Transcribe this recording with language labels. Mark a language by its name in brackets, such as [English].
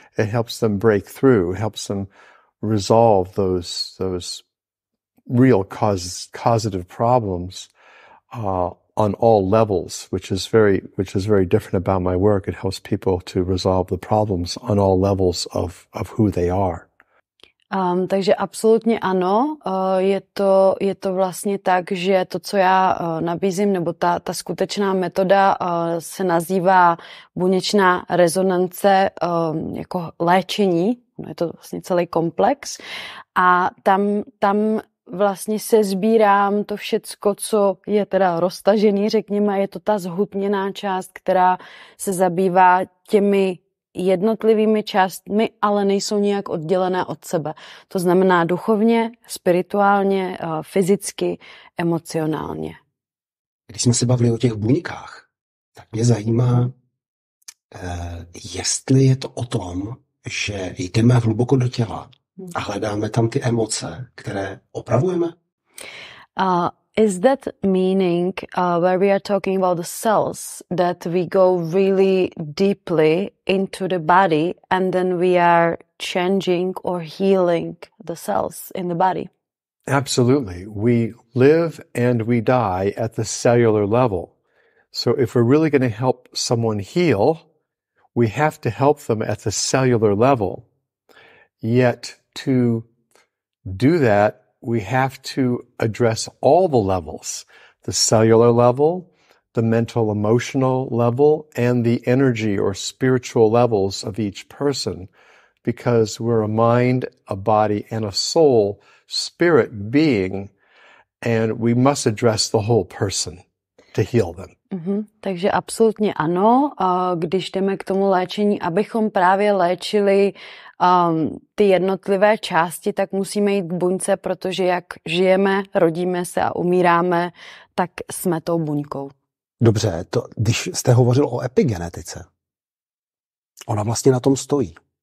[English] It helps them break through, helps them resolve those real causative problems on all levels, which is very different about my work. It helps people to resolve the problems on all levels of who they are. [Czech] Takže absolutně ano, je to vlastně tak, že to, co já nabízím, nebo ta skutečná metoda se nazývá buněčná rezonance jako léčení, no, je to vlastně celý komplex a tam vlastně se sbírám to všecko, co je teda roztažený, řekněme, je to ta zhutněná část, která se zabývá těmi jednotlivými částmi, ale nejsou nijak oddělené od sebe. To znamená duchovně, spirituálně, fyzicky, emocionálně. Když jsme se bavili o těch buňkách, tak mě zajímá, jestli je to o tom, že jdeme hluboko do těla a hledáme tam ty emoce, které opravujeme? [English] Is that meaning where we are talking about the cells that we go really deeply into the body and then we are changing or healing the cells in the body? Absolutely. We live and we die at the cellular level. So if we're really going to help someone heal, we have to help them at the cellular level. Yet to do that, we have to address all the levels, the cellular level, the mental, emotional level, and the energy or spiritual levels of each person, because we're a mind, a body, and a soul, spirit being, and we must address the whole person to heal them. Mm-hmm. [Czech] Takže absolutně ano, když jdeme k tomu léčení, abychom právě léčili ty jednotlivé části, tak musíme jít k buňce, protože jak žijeme, rodíme se a umíráme, tak jsme tou buňkou. Dobře, to, když jste hovořil o epigenetice, ona vlastně na tom stojí.